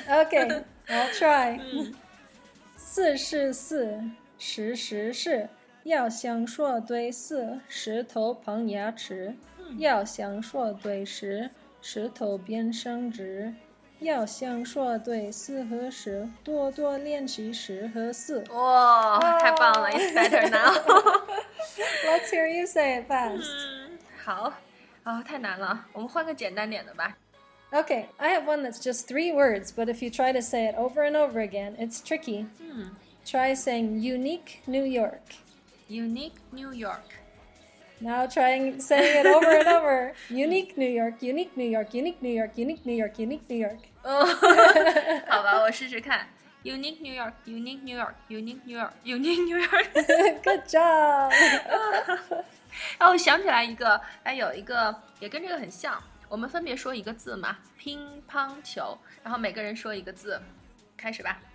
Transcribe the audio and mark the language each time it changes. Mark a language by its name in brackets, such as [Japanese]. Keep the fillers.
[English] ？Okay，I'll try 、嗯。 [Chinese] 四是四，十十是，要想说对四，石头碰牙齿；嗯、要想说对十，石头边伸直。要像说对四和十，多多练习十和四。 [English] 哇、oh, oh.， [Chinese] 太棒了！ [English] It's better now. Let's hear you say it fast.、嗯、好， [Chinese] 啊、oh,，太难了，我们换个简单点的吧。 [English] Okay, mm. I have one that's just three words, but if you try to say it over and over again, it's tricky. Hmm. Try saying unique New York. Unique New York. Now trying saying it over and over. unique New York, unique New York, unique New York, unique New York, unique New York. [Chinese] 哦， 好吧，我试试看。 [English] Unique New York，Unique New York，Unique New York，Unique New York。 Good job。 [Chinese] 啊、哦，我想起来一个，哎，有一个也跟这个很像。我们分别说一个字嘛，乒乓球。然后每个人说一个字，开始吧。